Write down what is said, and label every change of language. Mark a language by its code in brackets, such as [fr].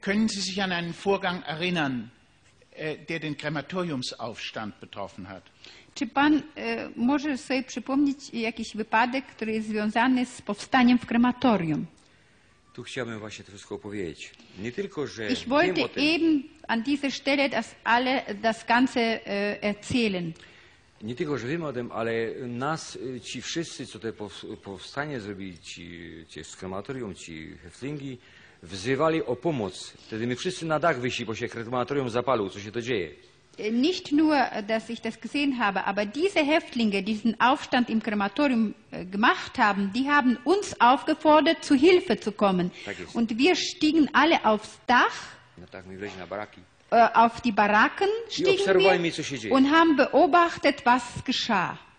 [de] Können Sie sich an einen Vorgang erinnern, der den Krematoriumsaufstand betroffen hat? [pl] Czy pan może sobie przypomnieć jakiś wypadek, który jest związany z powstaniem w krematorium? Tu chciałbym właśnie to wszystko powiedzieć. Nie tylko, że [de] ich wollte eben an dieser Stelle das Ganze erzählen. [pl] Nie tylko, że wiemy o tym, ale nas, ci wszyscy, co te powstanie zrobili, ci z krematorium, ci Häftlingi, wzywali o pomoc. Wtedy my wszyscy na dach wyszli, bo się krematorium zapalił. Co się to dzieje? [de] Nicht nur, dass ich das gesehen habe, aber diese Häftlinge, die diesen Aufstand im Krematorium gemacht haben, die haben uns aufgefordert, zu Hilfe zu kommen. [pl] Tak jest. [de] Und wir stiegen alle aufs Dach. [pl] Na tak, my wleźli na baraki. [de] Auf die Baracken stiegen wir und haben beobachtet, was geschah.